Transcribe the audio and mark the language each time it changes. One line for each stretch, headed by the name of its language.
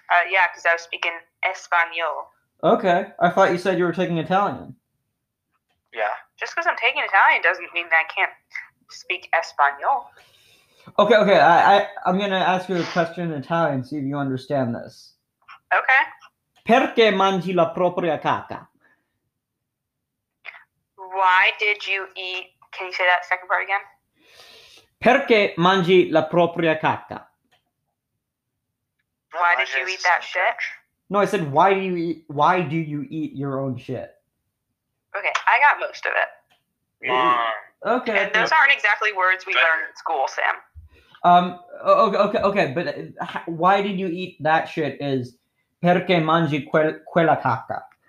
English: Yeah, because I was speaking Espanol. Okay, I thought you said you were taking Italian. Yeah. Just because I'm taking Italian doesn't mean that I can't speak Espanol. Okay, I'm going to ask you a question in Italian, see if you understand this. Okay.
Italian: Perché mangi la propria caca?
English: Why did you eat... Can you say that second part again?
Italian: Perché mangi la propria caca?
English: Why did you eat that shit? No, I said, why do you eat your own shit? Okay, I got most of it. Okay. And those aren't exactly words we learn in school, Sam. Okay, but why did you eat that shit is
Italian: perché mangi quella caca.